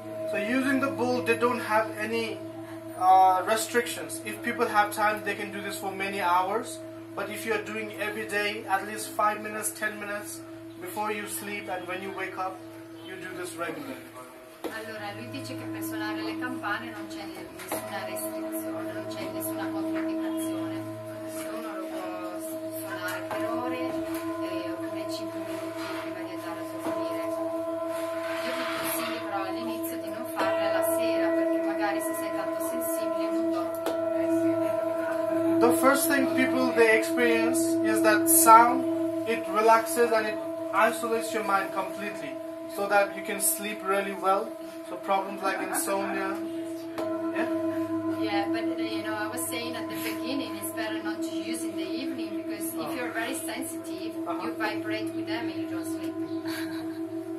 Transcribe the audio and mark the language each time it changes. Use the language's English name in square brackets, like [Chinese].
[English] So using the bowl, they don't have any restrictions. If people have time, they can do this for many hours. But if you are doing every day, at least 5 minutes, 10 minutes before you sleep and when you wake up, you do this regularly. [Italian] Allora, lui dice che per suonare le campane non c'è nessuna restrizione, non c'è nessuna controindicazione. Se uno lo può suonare per ore, oppure 5 minuti prima di andare a dormire. Io ti consiglio però all'inizio di non farle la sera, perché magari se sei tanto sensibile non dormi. [English] The first thing people they experience is that sound, it relaxes and it isolates your mind completely. So that you can sleep really well. So problems like insomnia. Yeah. Yeah, but you know, I was saying at the beginning, it's better not to use in the evening because if you're very sensitive, you vibrate with them and you don't sleep.